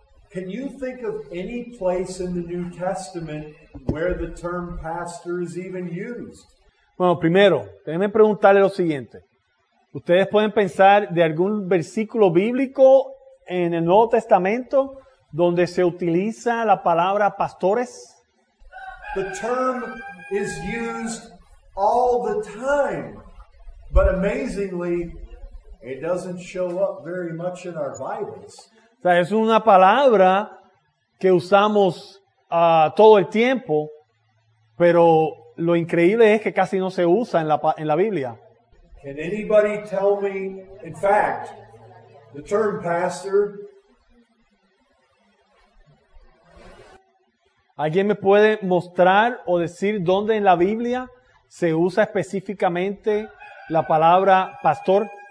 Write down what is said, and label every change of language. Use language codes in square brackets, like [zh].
[en] Can you think of any place in the New Testament where the term pastor is even used? [es] Bueno, primero, déjenme preguntarle lo siguiente. ¿Ustedes pueden pensar de algún versículo bíblico en el Nuevo Testamento donde se utiliza la palabra pastores? [en] The term is used all the time, but amazingly, it doesn't show up very much in our Bibles. [es] O sea, es una palabra que usamos todo el tiempo, pero lo increíble es que casi no se usa en la Biblia. [en] Can anybody tell me, in fact, the term pastor? [es] ¿Alguien me puede mostrar o decir dónde en la Biblia se usa específicamente la palabra pastor?